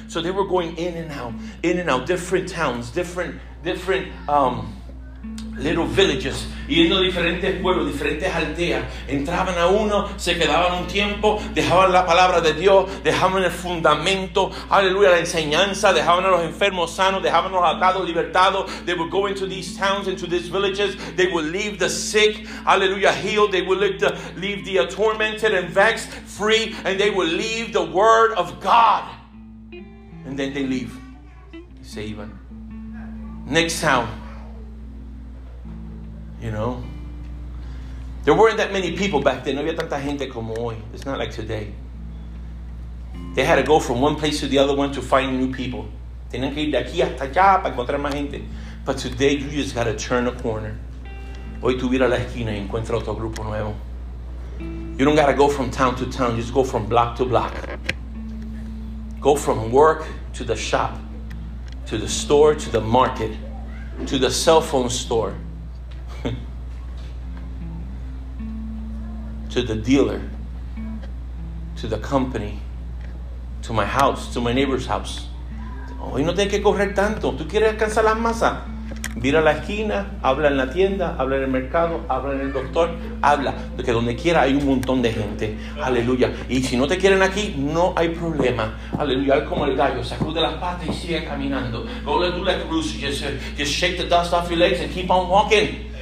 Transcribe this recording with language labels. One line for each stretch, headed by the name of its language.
English: So they were going in and out, different towns, different little villages,
Spanish: yendo a diferentes pueblos, diferentes aldeas. Entraban a uno, se quedaban un tiempo, dejaban la palabra de Dios, dejaban el fundamento, aleluya, la enseñanza, dejaban a los enfermos sanos, dejaban a los atados libertados.
English: They would go into these towns, into these villages. They would leave the sick, aleluya, healed. They would leave the tormented and vexed free, and they would leave the word of God. And then they leave.
Spanish: Se iban.
English: Next town. You know. There weren't that many people back then.
Spanish: No había tanta gente como hoy.
English: It's not like today. They had to go from one place to the other one to find new people.
Spanish: Tenían que ir de aquí hasta allá para encontrar más gente.
English: But today you just got to turn a corner.
Spanish: Hoy tú vira la esquina y encuentra otro grupo nuevo.
English: You don't got to go from town to town. Just go from block to block. Go from work to the shop. To the store, to the market, to the cell phone store, to the dealer, to the company, to my house, to my neighbor's house.
Spanish: Hoy no tienes que correr tanto. Tú quieres alcanzar las masas. Mira la esquina, habla en la tienda, habla en el mercado, habla en el doctor, habla. Porque donde quiera hay un montón de gente. Aleluya. Y si no te quieren aquí, no hay problema. Aleluya. Es como el gallo, sacude las patas y sigue caminando.
English: Go to the cruise, just shake the dust off your legs and keep on walking.